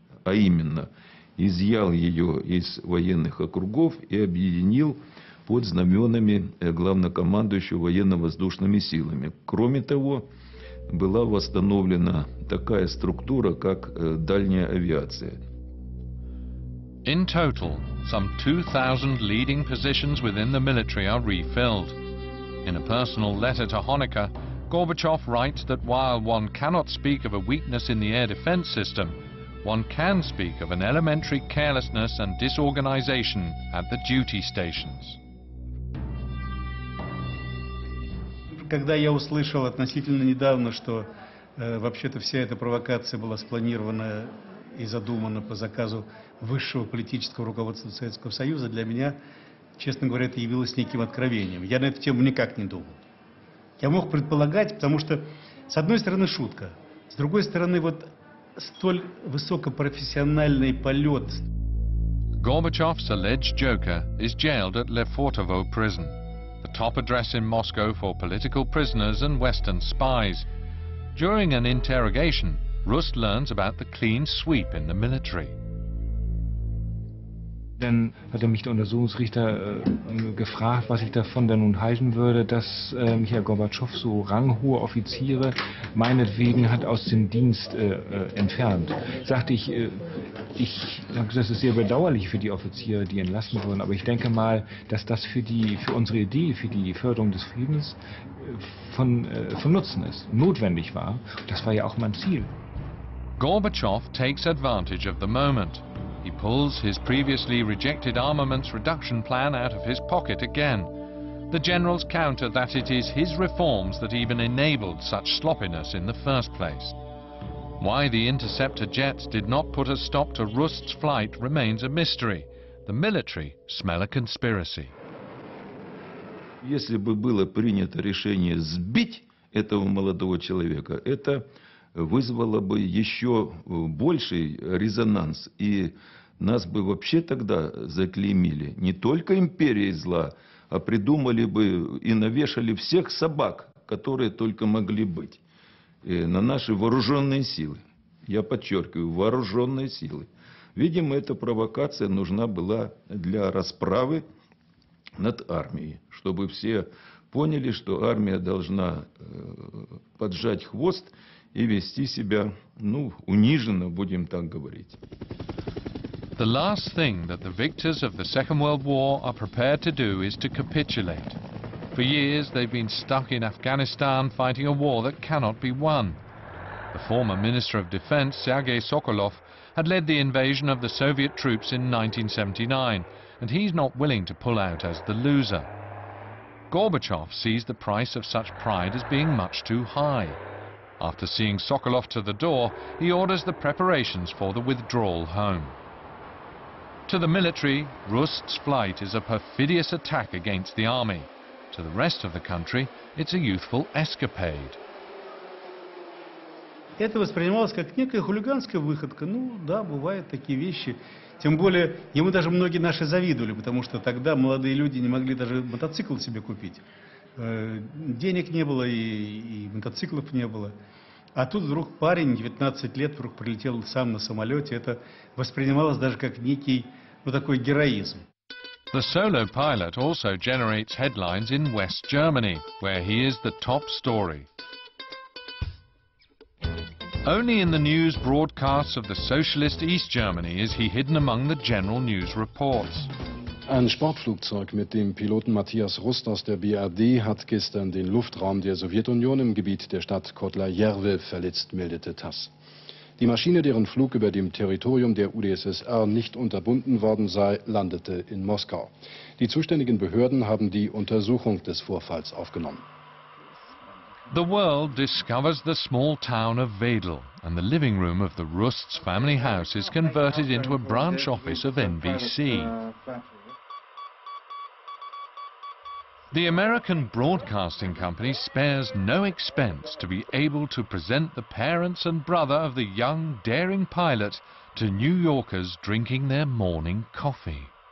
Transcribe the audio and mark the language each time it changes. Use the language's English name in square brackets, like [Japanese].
[Russian] А именно, изъял ее из военных округов и объединил под знаменами главнокомандующего военно-воздушными силами. Кроме того, была восстановлена такая структура, как дальняя авиация. [English] In total, some 2,000 leading positions within the military are refilled. In a personal letter to Honecker, Gorbachev writes that while one cannot speak of a weakness in the air defense system, one can speak of an elementary carelessness and disorganization at the duty stations. [Russian] Когда я услышал относительно недавно, что вообще-то вся эта провокация была спланирована и задумана по заказу высшего политического руководства Советского Союза, для меня, честно говоря, это явилось неким откровением. Я на эту тему никак не думал. Я мог предполагать, потому что, с одной стороны, шутка. С другой стороны, вот столь высокопрофессиональный полет. [English] Gorbachev's alleged joker is jailed at Lefortovo prison, the top address in Moscow for political prisoners and Western spies. During an interrogation, Rust learns about the clean sweep in the military. [German] Dann hat er mich der Untersuchungsrichter gefragt, was ich davon denn nun halten würde, dass mich Herr Gorbatschow so ranghohe Offiziere meinetwegen hat aus dem Dienst entfernt. Sagte ich, ich habe gesagt, das ist sehr bedauerlich für die Offiziere, die entlassen wurden, aber ich denke mal, dass das für unsere Idee, für die Förderung des Friedens von Nutzen ist, notwendig war. Das war ja auch mein Ziel. [English] Gorbachev takes advantage of the moment. He pulls his previously rejected armaments reduction plan out of his pocket again. The generals counter that it is his reforms that even enabled such sloppiness in the first place. Why the interceptor jets did not put a stop to Rust's flight remains a mystery. The military smell a conspiracy. [Russian] Если бы было принято решение сбить этого молодого человека, это вызвало бы еще больший резонанс, и нас бы вообще тогда заклеймили не только империей зла, а придумали бы и навешали всех собак, которые только могли быть, на наши вооруженные силы. Я подчеркиваю, вооруженные силы. Видимо, эта провокация нужна была для расправы над армией, чтобы все поняли, что армия должна поджать хвост и вести себя, ну, униженно, будем так говорить. [English] The last thing that the victors of the Second World War are prepared to do is to capitulate. For years they've been stuck in Afghanistan fighting a war that cannot be won. The former Minister of Defense, Sergei Sokolov, had led the invasion of the Soviet troops in 1979, and he's not willing to pull out as the loser. Gorbachev sees the price of such pride as being much too high. After seeing Sokolov to the door, he orders the preparations for the withdrawal home. To the military, Rust's flight is a perfidious attack against the army. To the rest of the country, it's a youthful escapade. [Russian] Это воспринималось как некая хулиганская выходка. Ну да, бывают такие вещи. Тем более, ему даже многие наши завидовали, потому что тогда молодые люди не могли даже мотоцикл себе купить. Денег не было и мотоциклов не было. А тут вдруг парень, 19 лет, вдруг прилетел сам на самолете. Это воспринималось даже как некий, ну, такой героизм. [English] The solo pilot also generates headlines in West Germany, where he is the top story. Only in the news broadcasts of the socialist East Germany is he hidden among the general news reports. [German] Ein Sportflugzeug mit dem Piloten Matthias Rust aus der BRD hat gestern den Luftraum der Sowjetunion im Gebiet der Stadt Kotlajärve verletzt, meldete TASS. Die Maschine, deren Flug über dem Territorium der UdSSR nicht unterbunden worden sei, landete in Moskau. Die zuständigen Behörden haben die Untersuchung des Vorfalls aufgenommen. [English] The world discovers the small town of Wedel, and the living room of the Rust's family house is converted into a branch office of NBC. The American Broadcasting Company spares no expense to be able to present the parents and brother of the young, daring pilot to New Yorkers drinking their morning coffee.